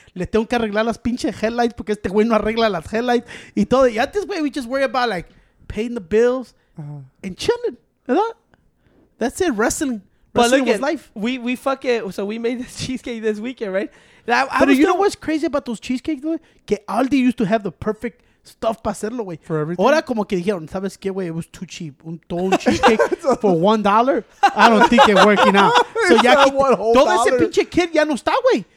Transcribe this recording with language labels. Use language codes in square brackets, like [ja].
[es] Le tengo que arreglar las pinche headlights porque este güey no arregla las headlights. Y todo. [en] Y at this way, we just worry about like paying the bills and chilling. You know? That's it, wrestling. But look at life. We fuck it. So we made this cheesecake this weekend, right? You know what's crazy about those cheesecakes, güey? Que Aldi used to have the perfect stuff [es] para hacerlo, [en] güey. For everything. [es] Ahora como que dijeron, ¿sabes qué, güey? [en] It was too cheap. [es] Un todo cheesecake [en] for $1. I don't think it's working out. So [es] ya que todo ese pinche kit ya no está, güey.